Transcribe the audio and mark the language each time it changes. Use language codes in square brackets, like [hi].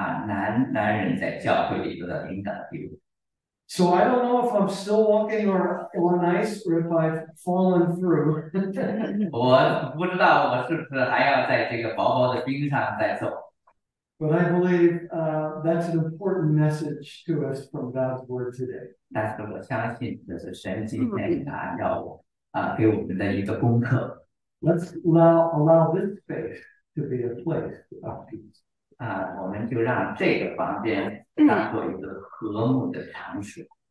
[zh] 那么用安静的心、平和的心来接受男人在教会里头的领导地位。 [en] So I don't know if I'm still walking or on ice or if I've fallen through. [zh] 我不知道我是不是还要在这个薄薄的冰上再走。 [en] But I believe that's an important message to us from God's word today. [zh] 但是我相信这是神今天要给我们的一个功课。 [en] Let's allow this space to be a place of peace. [zh] 我们就让这个房间当做一个和睦的场所。